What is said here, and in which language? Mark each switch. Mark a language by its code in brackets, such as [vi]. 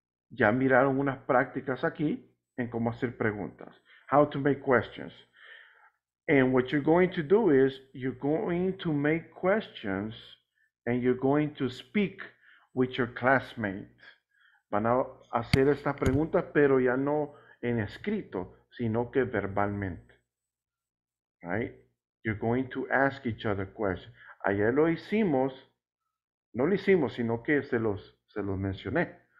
[es] Ya miraron unas prácticas aquí en cómo hacer preguntas. [en] How to make questions. And what you're going to do is, you're going to make questions and you're going to speak with your classmate. [es] Van a hacer estas preguntas, pero ya no en escrito, sino que verbalmente. Right? [en] You're going to ask each other questions. [es] Ayer lo hicimos, no lo hicimos, sino que se los mencioné.